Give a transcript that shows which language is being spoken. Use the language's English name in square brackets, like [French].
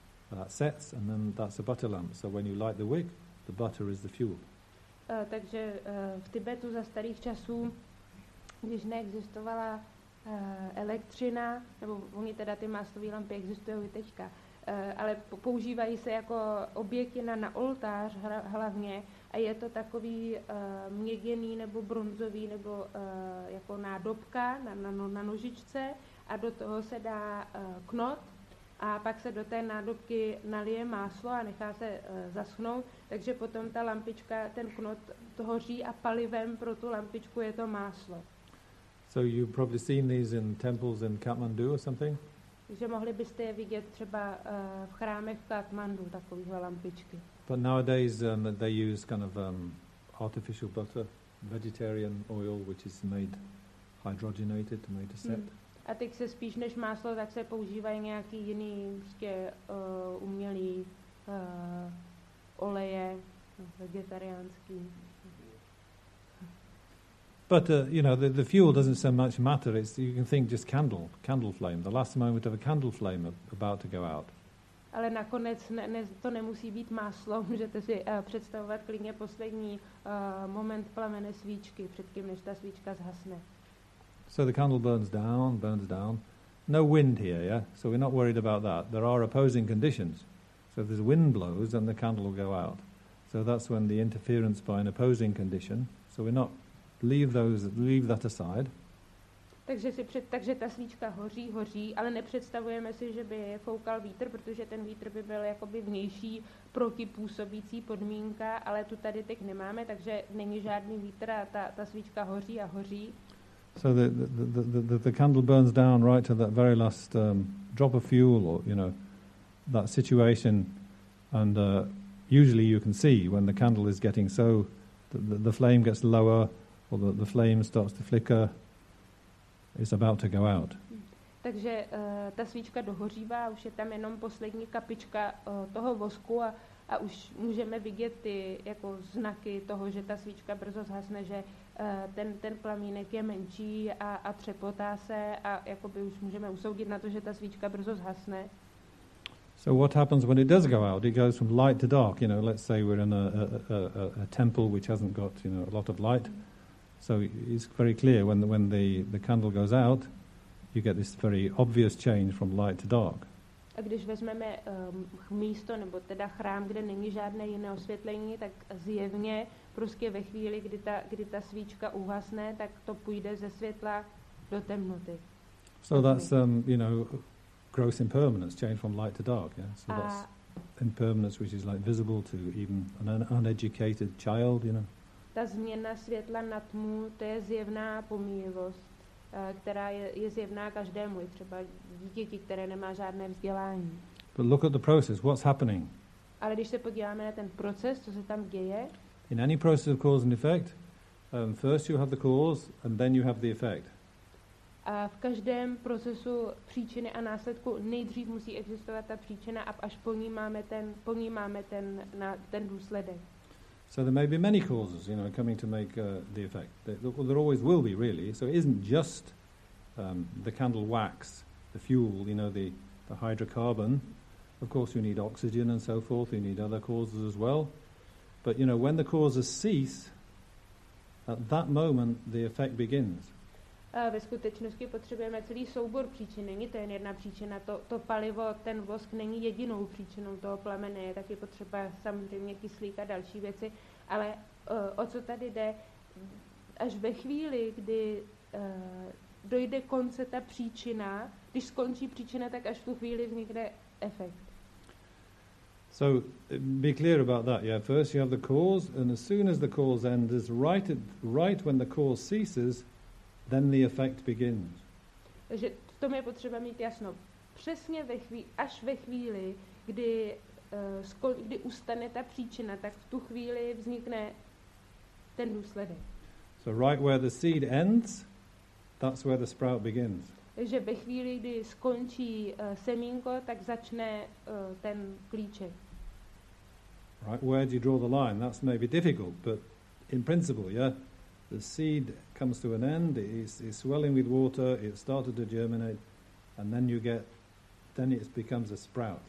[English] That sets, and then that's a butter lamp. So when you light the wick, the butter is the fuel. [Czech] Takže v Tibetu za starých časů, když neexistovala elektřina, nebo oni teda ty máslové lampy existují i teďka, ale používají se jako obětina na oltář hlavně a je to takový měděný nebo bronzový nebo jako nádobka na nožičce a do toho se dá knot a pak se do té nádobky nalije máslo a nechá se zaschnout, takže potom ta lampička, ten knot to hoří a palivem pro tu lampičku je to máslo. [English] So you've probably seen these in temples in Kathmandu or something? [Czech] Že mohli byste je vidět třeba v chrámech v Katmandu takovéhle lampičky. [English] But nowadays they use kind of artificial butter, vegetarian oil, which is made hydrogenated to make a set. [Czech] A teď se spíš než máslo, tak se používají nějaký jiný prostě umělý oleje vegetariánský. [English] But you know the fuel doesn't so much matter. It's you can think just candle flame, the last moment of a candle flame about to go out. [Czech] Ale nakonec to nemusí být máslo. Můžete si představovat klidně poslední moment plamene svíčky, předtím než ta svíčka zhasne. [English] So the candle burns down. No wind here, yeah. So we're not worried about that. There are opposing conditions. So if this wind blows, then the candle will go out. So that's when the interference by an opposing condition. So we're not leave that aside. [Czech] Takže ta svíčka hoří, ale nepředstavujeme si, že by foukal vítr, protože ten vítr by byl jakoby vnější protipůsobící podmínka, ale tu tady teď nemáme, takže není žádný vítr a ta svíčka hoří. [English] So the candle burns down right to that very last drop of fuel or you know that situation and usually you can see when the candle is getting so the flame gets lower. Well, the flame starts to flicker. It's about to go out. [Czech] Takže ta svíčka dohořívá, už je tam jenom poslední kapička toho vosku a už můžeme vidět ty jako znaky toho, že ta svíčka brzo zhasne, že ten plamínek je menší a třepotá se a jako by už můžeme usoudit na to, že ta svíčka brzo zhasne. [English] So what happens when it does go out? It goes from light to dark. You know, let's say we're in a temple which hasn't got you know a lot of light. So it's very clear when the candle goes out, you get this very obvious change from light to dark. [Czech] A když vezmeme místo nebo teda chrám, kde není žádné jiné osvětlení, tak zjevně prostě ve chvíli, kdy ta svíčka uhasne, tak to půjde ze světla do temnoty. [English] So that's you know gross impermanence, change from light to dark. Yeah. So that's impermanence which is like visible to even an uneducated child. You know. [Czech] Ta změna světla na tmu, to je zjevná pomíjivost. která je zjevná každému, třeba dítěti, které nemá žádné vzdělání. [English] But look at the process, what's happening? [Czech] Ale když se podíváme na ten proces, co se tam děje? [English] In any process of cause and effect, first you have the cause and then you have the effect. [Czech] A v každém procesu příčiny a následku nejdřív musí existovat ta příčina a až po ní máme ten důsledek. [English] So there may be many causes, you know, coming to make the effect. There always will be, really. So it isn't just the candle wax, the fuel, you know, the hydrocarbon. Of course, you need oxygen and so forth. You need other causes as well. But, you know, when the causes cease, at that moment, the effect begins. [Czech] Ve skutečnosti potřebujeme celý soubor příčin. Není to jen jedna příčina. To palivo, ten vosk není jedinou příčinou toho plamene. Je taky potřeba samozřejmě kyslík a další věci. Ale o co tady jde? Až ve chvíli, kdy dojde konce ta příčina, když skončí příčina, tak až v tu chvíli vznikne efekt. [English] So be clear about that. Yeah, first you have the cause, and as soon as the cause ends, right when the cause ceases, then the effect begins. [Czech] Takže v tom je potřeba mít jasno. Přesně až ve chvíli, kdy ustane ta příčina, tak v tu chvíli vznikne ten důsledek. [English] So right where the seed ends, that's where the sprout begins. [Czech] Takže ve chvíli, kdy skončí semínko, tak začne ten klíček. [English] Right, where do you draw the line? That's maybe difficult, but in principle, yeah? The seed comes to an end, it's swelling with water, it started to germinate, and then it becomes a sprout.